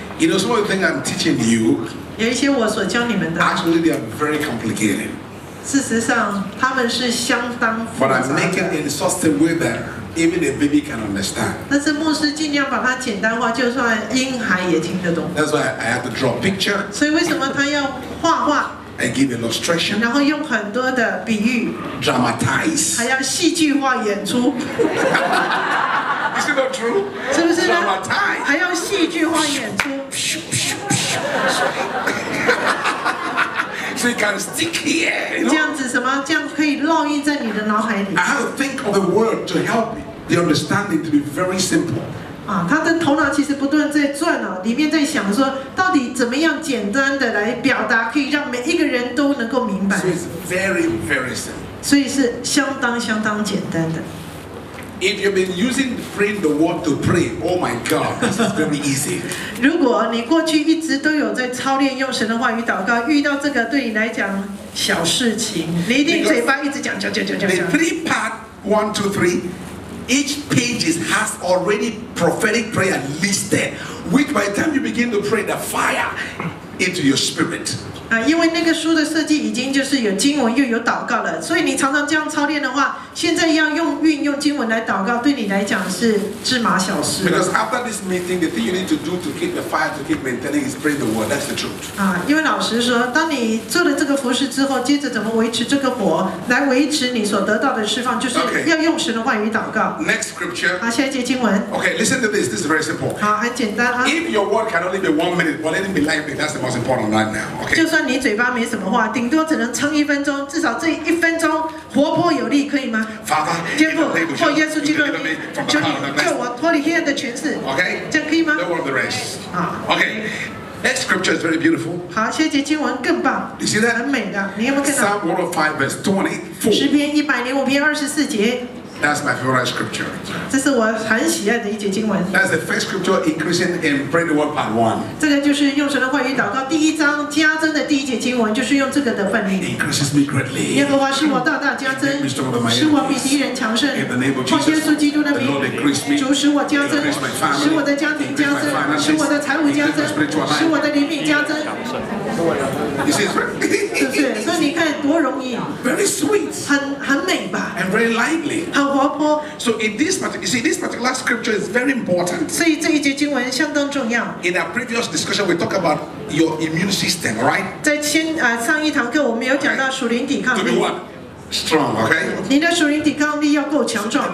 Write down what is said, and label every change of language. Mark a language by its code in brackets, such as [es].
[en] You know some of the things I'm teaching you， [zh] 有一些我所教你们的。 [en] Actually, they are very complicated。 [zh] 事实上，他们是相当复杂的。 [en] But I'm making it in such a way that even a baby can understand。 [zh] 但是牧师尽量把它简单化，就算婴孩也听得懂。 [en] That's why I have to draw a picture。 [zh] 所以为什么他要画画 [en] ？I give illustration。 [zh] 然后用很多的比喻 [en] ，dramatize， [zh] 还要戏剧化演出。 [en] Is it not true? [zh] 是不是呢？ [en] Dramatize. [zh] 还要戏剧化演出。所以 [en] can stick here. You know? [zh] 这样子什么？这样可以烙印在你的脑海里。 [en] I have to think of the word to help the understanding to be very simple. [zh] 啊，他的头脑其实不断在转啊，里面在想说，到底怎么样简单的来表达，可以让每一个人都能够明白。 [en] So it's very, very simple. [zh] 所以是相当相当简单的。 [en] If you've been using praying the word to pray, oh my God, this is very easy. [zh] 如果你过去一直都有在操练用神的话语祷告，遇到这个对你来讲小事情，你一定嘴巴一直讲讲讲讲讲。 [en] The three part one, two, three, each page has already prophetic prayer listed, which by the time you begin to pray, the fire into your spirit. [zh] 啊，因为那个书的设计已经就是有经文又有祷告了，所以你常常这样操练的话。现在要用运用经文来祷告，对你来讲是芝麻小事。 [en] Because after this meeting, the thing you need to do to keep the fire, to keep maintaining, is pray the word. That's the truth. [zh] 啊，因为老实说，当你做了这个服事之后，接着怎么维持这个火，来维持你所得到的释放，就是要用神的话语祷告。 [en] Okay. Next scripture. [zh] 啊，下一节经文。 [en] Okay, listen to this. This is very simple. [zh] 好，很简单啊。 [en] If your word can only be 1 minute, but let it be lively, that's the most important right now. Okay. [zh] 就算你嘴巴没什么话，顶多只能撑一分钟，至少这一分钟活泼有力，可以吗？ [en] Father, [zh] 天父，奉耶稣基督的名，求你救我脱离黑暗的权势。 [en] Okay, [zh] 这样可以吗 [en] ？No one the rest. 啊，Okay, next scripture is very beautiful. [zh] 好，下一节经文更棒。 [en] You see that? [zh] 很美的，你有没有看到 [en] ？Psalm 105 verse 24. [zh] 诗篇105:24. [en] That's my favorite scripture. [zh] 这是我很喜爱的一节经文。 [en] That's the first scripture increasing in Pray the Word Part One. [zh] 这个就是用神的话语祷告第一章加增的第一节经文，就是用这个的奋力。 [en] It increases me greatly. [zh] 耶和华使我大大加增，使我比敌人强盛。 [en] In the name of Jesus, [zh] 奉耶稣基督的名， [en] the Lord increases me. [zh] 主使我加增，使我的家庭加增，使我的财务加增，使我的灵命加增。 [en] You see, it's [zh] very. 是不是？所以你看多容易。 [en] Very sweet. [zh] 很美吧。 [en] And very lively. [zh] 很活泼。 [en] So in this particular, you see, this particular scripture is very important. [zh] 所以这一节经文相当重要。 [en] In our previous discussion, we talked about your immune system, right? [zh] 在前啊上一堂课我们有讲到属灵抵抗力。 [en] To be what? Strong, okay? [zh] 你的属灵抵抗力要够强壮。